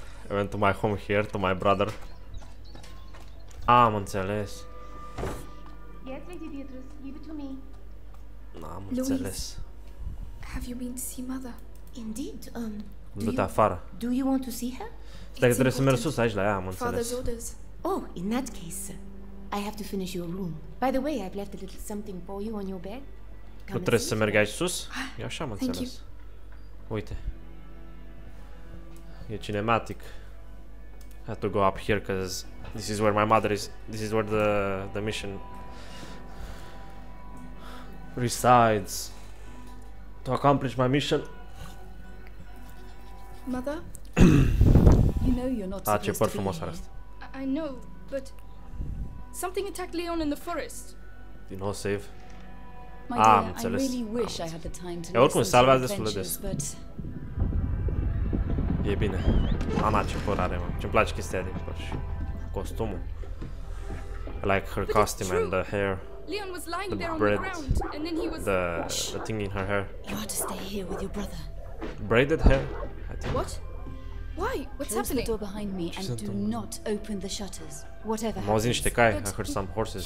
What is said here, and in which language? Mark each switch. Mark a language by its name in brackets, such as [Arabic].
[English] I went to my home here, to my brother. [Romanian] Am înțeles. [English] Yes, Lady Beatrice, give it to me. [Romanian] N-am înțeles. [English] Louise, have you been to see mother? Indeed, [Romanian] afară. [English] Do you want to see her? [Romanian] Dacă trebuie să merg sus aici la ea, am înțeles. [English] Oh, in that case, I have to finish your room. By the way, I've left a little something for you on your bed. [Romanian] Nu trebuie să merg aici sus? Eu așa am înțeles. Uite. E cinematic. [English] I have to go up here because this is where my mother is. This is where the mission resides. To accomplish my mission. Mother? You know you're not supposed to be here. [Romanian] Ah, ce păr frumos. [English] I know, but something attacked Leon in the forest. You know, save. My dear, I really wish I had the time to listen to your adventures, but... [Romanian] E bine. Ana, ce păr are, mă. Ce-mi place chestia din păr și costumul. [English] I like her costume and the hair. Leon was lying there on the ground, and then he was... The thing in her hair. You ought to stay here with your brother. Braided hair, I think. What? Why? What's happening? Close the door behind me and do not open the shutters. Whatever happens. [Romanian] M-auzi niște cai. [English] I heard some horses.